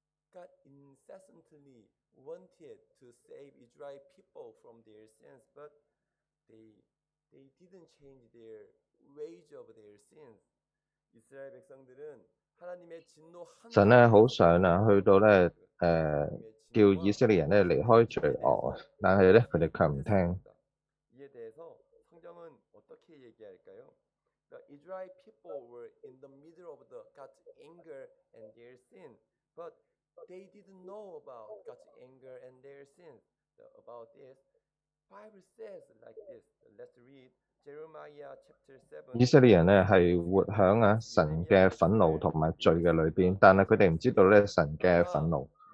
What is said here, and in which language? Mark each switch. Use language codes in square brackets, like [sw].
[en] God incessantly wanted to save Israel people from their sins, but they didn't change their ways of their sins. [ko] Israel 백성들은하나님의진노한 [yue] 神咧好想啊，去到咧叫以色列人咧离开罪恶，但系咧佢哋却唔听。 [ko] 이에대해서성경은어떻게얘기할까요 [en] The Israel people were in the middle of the God's anger and their sin, but They didn't know about God's anger and their sins. About this, Bible says like this. Let's read Jeremiah chapter 7. [yue] 以色列人咧系活响啊神嘅愤怒同埋罪嘅里边，但系佢哋唔知道咧神嘅愤怒。